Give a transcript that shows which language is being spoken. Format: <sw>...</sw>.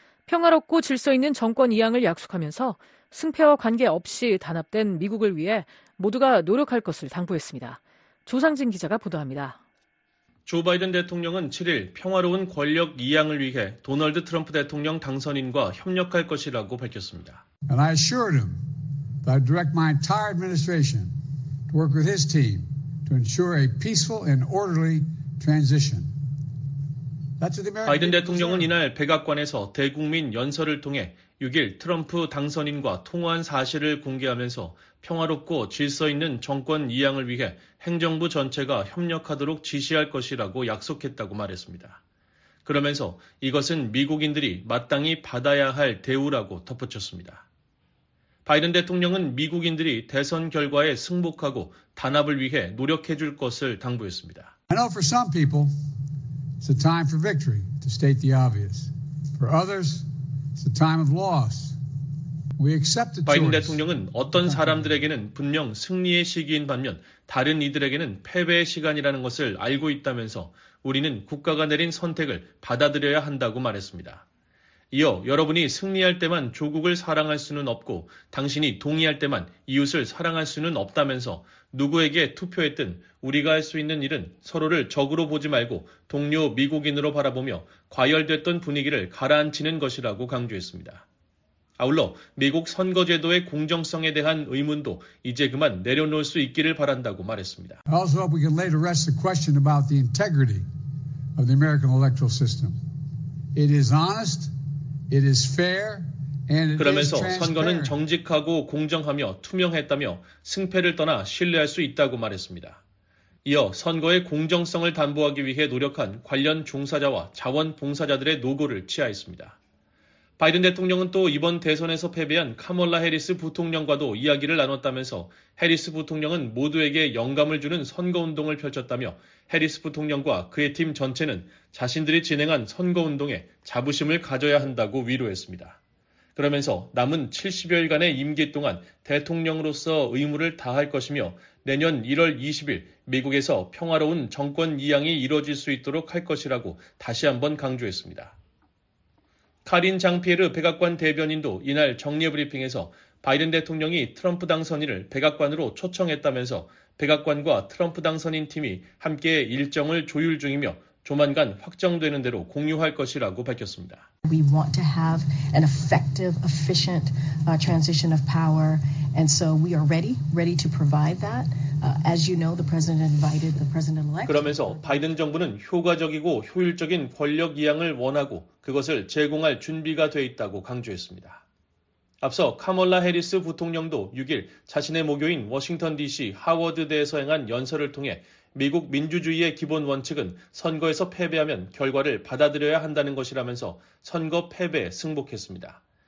<ko>평화롭고 질서 있는 정권 이양을 약속하면서 승패와 관계없이 단합된 미국을 위해 모두가 노력할 것을 당부했습니다. 조상진 기자가 보도합니다. 조 바이든 대통령은 7일 평화로운 권력 이양을 위해 도널드 트럼프 대통령 당선인과 협력할 것이라고 밝혔습니다.</ko> <en>And I assured him that I direct my entire administration to work with his team to ensure a peaceful and orderly transition.</en> <ko>바이든 대통령은 이날 백악관에서 대국민 연설을 통해 6일 트럼프 당선인과 통화한 사실을 공개하면서 평화롭고 질서 있는 정권 이양을 위해 행정부 전체가 협력하도록 지시할 것이라고 약속했다고 말했습니다. 그러면서 이것은 미국인들이 마땅히 받아야 할 대우라고 덧붙였습니다. 바이든 대통령은 미국인들이 대선 결과에 승복하고 단합을 위해 노력해 줄 것을 당부했습니다.</ko> <en>I know for some people, it's a time for victory, to state the obvious. For others, it's a time of loss. We accept the</en> <ko>바이든 대통령은 어떤 사람들에게는 분명 승리의 시기인 반면 다른 이들에게는 패배의 시간이라는 것을 알고 있다면서 우리는 국가가 내린 선택을 받아들여야 한다고 말했습니다. 이어 여러분이 승리할 때만 조국을 사랑할 수는 없고 당신이 동의할 때만 이웃을 사랑할 수는 없다면서 누구에게 투표했든 우리가 할 수 있는 일은 서로를 적으로 보지 말고 동료 미국인으로 바라보며 과열됐던 분위기를 가라앉히는 것이라고 강조했습니다. 아울러 미국 선거제도의 공정성에 대한 의문도 이제 그만 내려놓을 수 있기를 바란다고 말했습니다.</ko> <en>I also hope we can lay to rest the question about the integrity of the American electoral system. It is honest, it is fair, and it is transparent.</en> <ko>그러면서 선거는 정직하고 공정하며 투명했다며 승패를 떠나 신뢰할 수 있다고 말했습니다. 이어 선거의 공정성을 담보하기 위해 노력한 관련 종사자와 자원봉사자들의 노고를 치하했습니다. 바이든 대통령은 또 이번 대선에서 패배한 카멀라 해리스 부통령과도 이야기를 나눴다면서 해리스 부통령은 모두에게 영감을 주는 선거운동을 펼쳤다며 해리스 부통령과 그의 팀 전체는 자신들이 진행한 선거운동에 자부심을 가져야 한다고 위로했습니다. 그러면서 남은 70여일간의 임기 동안 대통령으로서 의무를 다할 것이며 내년 1월 20일 미국에서 평화로운 정권 이양이 이뤄질 수 있도록 할 것이라고 다시 한번 강조했습니다. 카린 장피에르 백악관 대변인도 이날 정례 브리핑에서 바이든 대통령이 트럼프 당선인을 백악관으로 초청했다면서 백악관과 트럼프 당선인 팀이 함께 일정을 조율 중이며 조만간 확정되는 대로 공유할 것이라고 밝혔습니다.</ko> <en>We want to have an effective, efficient transition of power, and so we are ready to provide that. As you know, the president invited the president-elect.</en> <ko>그러면서 바이든 정부는 효과적이고 효율적인 권력 이양을 원하고 그것을 제공할 준비가 돼 있다고 강조했습니다. 앞서 카멀라 해리스 부통령도 6일 자신의 모교인 워싱턴 DC 하워드대에서 행한 연설을 통해 미국 민주주의의 기본 원칙은 선거에서 패배하면 결과를 받아들여야 한다는 것이라면서 선거 패배에 승복했습니다.</ko>